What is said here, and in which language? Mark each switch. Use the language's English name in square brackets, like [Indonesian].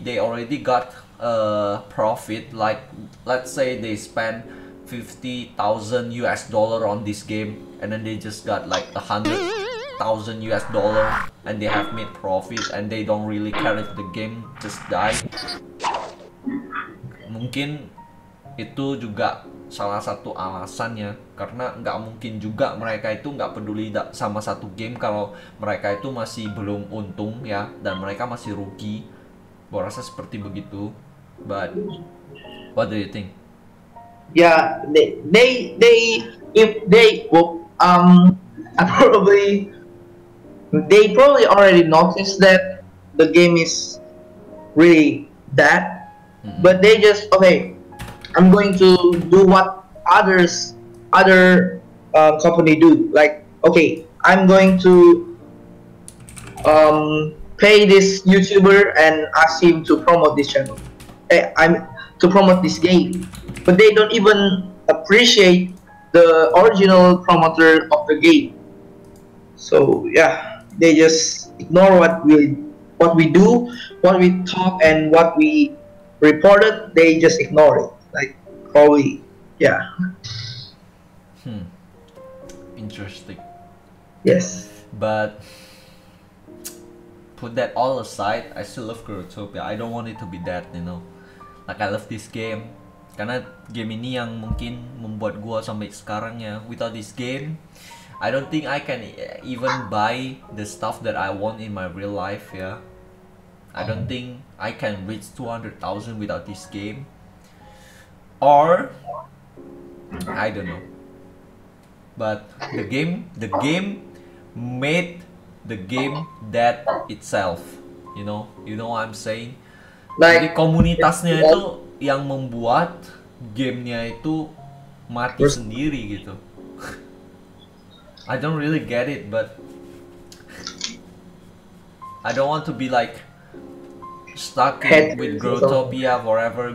[English] They already got profit, like let's say they spend $50,000 on this game and then they just got like $100,000 and they have made profit and they don't really care if the game just die. [Indonesian] Mungkin itu juga salah satu alasannya, karena nggak mungkin juga mereka itu nggak peduli sama satu game kalau mereka itu masih belum untung ya dan mereka masih rugi. Gua rasa seperti begitu. [English] But what do you think? Yeah, they probably already noticed that the game is really bad. Mm-hmm. But they just okay, I'm going to do what other company do. Like okay, I'm going to pay this YouTuber and ask him to promote this channel. I'm to promote this game, but they don't even appreciate the original promoter of the game. So yeah, they just ignore what we talk and what we reported. They just ignore it, like probably. Yeah. Interesting. Yes, but put that all aside, I still love Growtopia. I don't want it to be dead, you know. Like I love this game, [Indonesian] karena game ini yang mungkin membuat gua sampai sekarang ya. [English] Without this game, I don't think I can even buy the stuff that I want in my real life. Yeah, I don't think I can reach 200,000 without this game. Or I don't know. But the game made the game dead itself. You know what I'm saying? Like, [Indonesian] jadi komunitasnya itu yang membuat gamenya itu mati sendiri gitu. [English] I don't really get it, but I don't want to be like stuck with Growtopia forever.